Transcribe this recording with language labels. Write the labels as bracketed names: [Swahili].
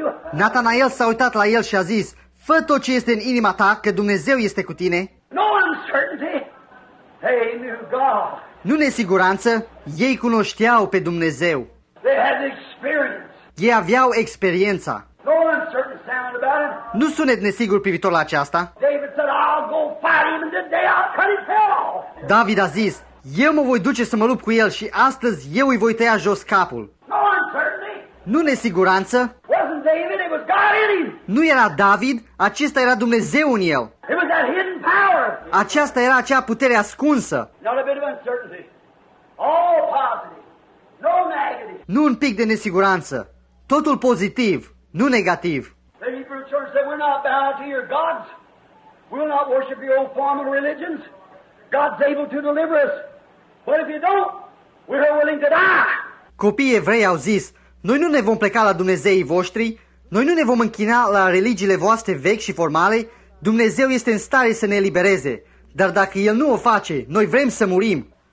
[Romanian] Natanael s-a uitat la el și a zis, fă tot ce este în inima ta, că Dumnezeu este cu tine. [English] No uncertainty. They knew God. [Romanian] Nu nesiguranță, ei cunoșteau pe Dumnezeu. [English] They had experience. [Romanian] Ei aveau experiența. [English] No uncertain sound about it. [Romanian] Nu sunet nesigur privitor la aceasta. [English] David said, I'll go fight him and today I'll cut his head off. [Romanian] David a zis, eu mă voi duce să mă lupt cu el și astăzi eu îi voi tăia jos capul. [English] No uncertainty. [Romanian] Nu nesiguranță. [English] David, it was God in him. [Romanian] Nu era David, acesta era Dumnezeu în el. [English] It was that hidden power. [Romanian] Aceasta era acea putere ascunsă. [English] Not a bit of uncertainty. All positive. No negative. [Romanian] Nu un pic de nesiguranță. Totul pozitiv, nu negativ. [English] The Hebrew church said, we're not bound to your gods. We'll not worship your old form of religions. God's able to deliver us. But if you don't, we're willing to die. [Romanian] Copiii evrei au zis, noi nu ne vom pleca la Dumnezeii voștri, noi nu ne vom închina la religiile voastre vechi și formale, Dumnezeu este în stare să ne elibereze, dar dacă El nu o face, noi vrem să murim.